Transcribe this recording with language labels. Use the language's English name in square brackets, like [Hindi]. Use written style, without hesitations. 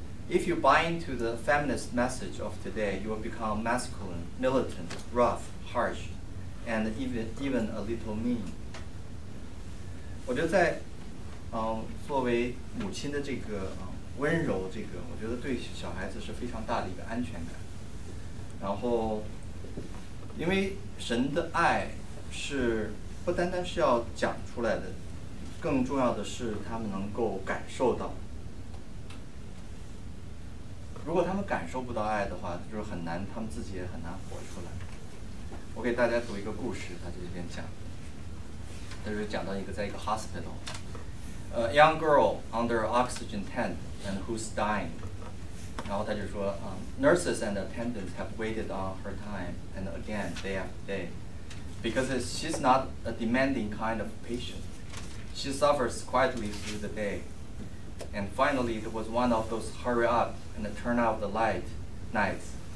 [English] If you buy into the feminist message of today, you will become masculine, militant, rough, harsh, and even a little mean. [Chinese] 我觉得在作为母亲的这个温柔这个，我觉得对小孩子是非常大的一个安全感。然后因为神的爱是不单单是要讲出来的，更重要的是他们能够感受到。如果他们感受不到爱的话，就是很难，他们自己也很难活出来。我给大家读一个故事，他在这边讲，他就是讲到一个在一个 [English] hospital， a young girl under oxygen tent and who's dying， [Chinese] 然后他就说 [English] nurses and attendants have waited on her time and again day after day because she's not a demanding kind of patient， she suffers quietly through the day and finally there was one of those hurry upAnd turn off the light nights.